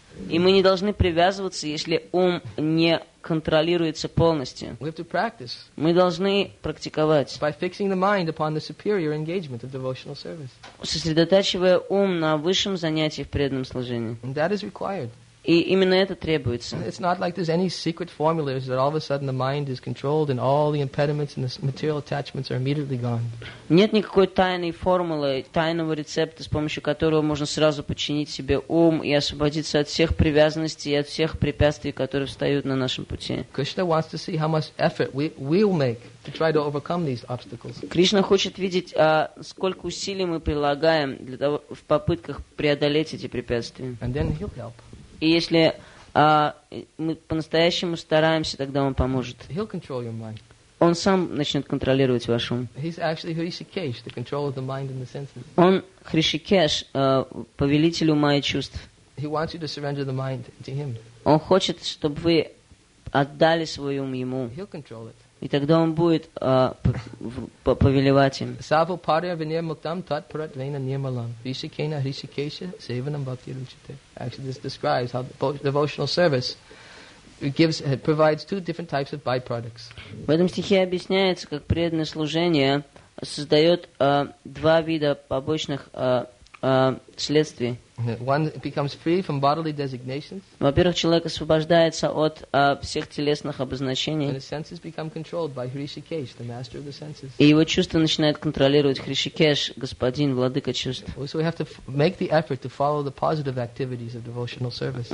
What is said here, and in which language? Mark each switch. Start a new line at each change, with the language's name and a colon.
Russian: И мы не должны привязываться, если ум не контролируется полностью. Мы должны практиковать, сосредотачивая ум на высшем занятии в преданном служении. И именно это требуется.
English: It's not like there's any secret formulas that all of a sudden the mind is controlled and all the impediments and the material attachments are immediately gone.
Russian: Нет никакой тайной формулы, тайного рецепта, с помощью которого можно сразу подчинить себе ум и освободиться от всех привязанностей и от всех препятствий, которые встают на нашем пути.
English: Krishna wants to see how much effort we'll make to try to overcome these obstacles.
Russian: Кришна хочет видеть, сколько усилий мы прилагаем для того, в попытках преодолеть эти препятствия.
English: And then he'll help.
Russian: И если мы по-настоящему стараемся, тогда он поможет.
English: He'll control your mind.
Russian: Он сам начнет контролировать ваш ум.
English: He's actually Hrishikesh, the control of the mind and the senses.
Russian: Он Хришикеш, повелитель ума и чувств.
English: He wants you to surrender the mind to him.
Russian: Он хочет, чтобы вы отдали свой ум ему.
English: He'll control it.
Russian: И тогда он будет повелевать им.
Sanskrit: Саву парья вине муктам тат парат вейна нирмалам. Вишикена Хришикеша севанам бхакти ручите.
English: Actually, this describes how devotional service gives, provides two different types of byproducts.
Russian: В этом стихе объясняется, как преданное служение создает два вида побочных следствий.
English: One becomes free from bodily designations.
Russian: Во-первых, человек освобождается от всех телесных обозначений.
English: And his senses become controlled by Hrishikesh, the master of the senses.
Russian: И его чувства начинают контролировать Хришикеш, господин, владыка чувств.
English: So we have to make the effort to follow the positive activities of devotional service.